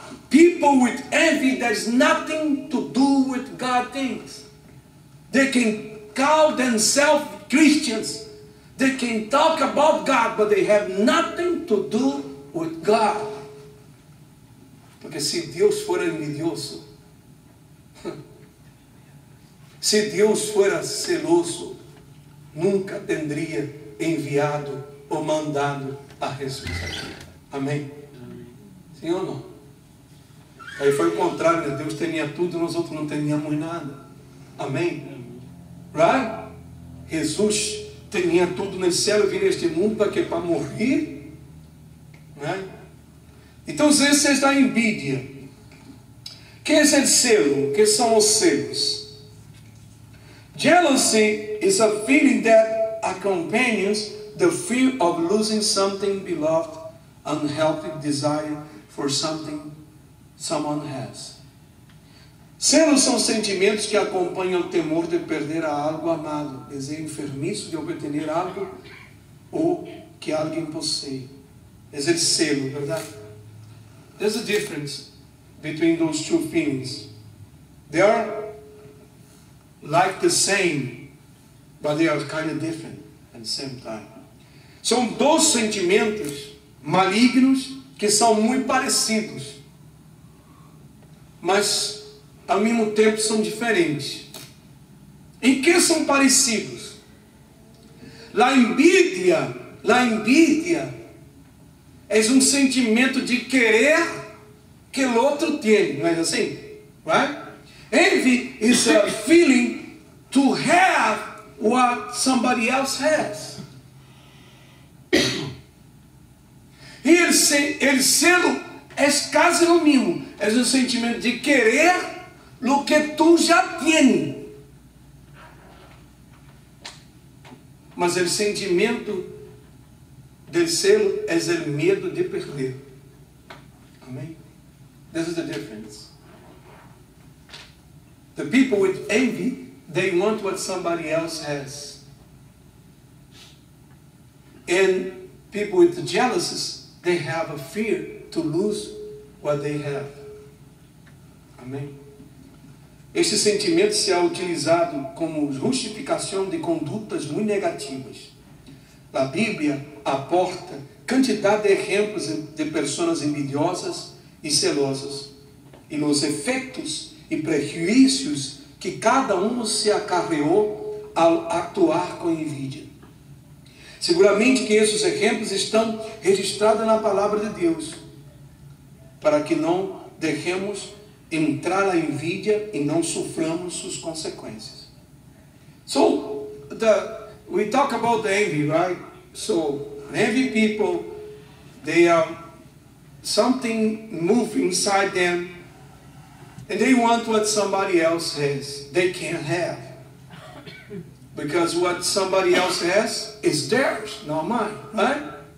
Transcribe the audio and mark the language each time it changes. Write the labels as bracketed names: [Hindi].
[English] People with envy, there's nothing to do with God things. They can call themselves Christians. They can talk about God, but they have nothing to do with God. [Portuguese] Porque se Deus for envidioso, se Deus fosse celoso, nunca teria enviado ou mandado a Jesus aqui. Amém? Sim ou não? Aí foi o contrário, Deus tinha tudo e nós outros não teníamos nada. Amém? [English] Right? [Portuguese] Jesus tinha tudo no céu e vinha neste mundo para quê? Para morrer? Né? Então, esse é da envidia. Quem é o selo? Que são os selos? [English] Jealousy is a feeling that accompanies the fear of losing something beloved, unhealthy desire for something someone has. [Portuguese] Selos são sentimentos que acompanham o temor de perder algo amado, desejo enfermizo de obter algo ou que alguém possui. Esse é selo, verdade? [English] There's a difference between those two feelings. They are like the same, but they are kind of different at the same time. [Portuguese] São dois sentimentos malignos que são muito parecidos, mas ao mesmo tempo são diferentes. Em que são parecidos? La envidia é um sentimento de querer que o outro tem, não é assim? [English] Right? Envy is a feeling to have what somebody else has. [Portuguese] E ele selo é quase o mesmo. É um sentimento de querer o que tu já tem. Mas o sentimento de selo é o medo de perder. [English] Amém? This is the difference. The people with envy, they want what somebody else has. And people with the jealousies, they have a fear to lose what they have. [Portuguese] Amém? Este sentimento se é utilizado como justificação de condutas muito negativas. A Bíblia aporta quantidade de exemplos de pessoas envidiosas e celosas, e os efeitos e prejuízos que cada um se acarreou ao atuar com envidia. Seguramente que esses exemplos estão registrados na palavra de Deus, para que não deixemos entrar na envidia e não soframos suas consequências. [English] So, we talk about the envy, right? So, envy people, they are something move inside them, and they want what somebody else has, they can't have. Because what somebody else has is theirs, not mine, right?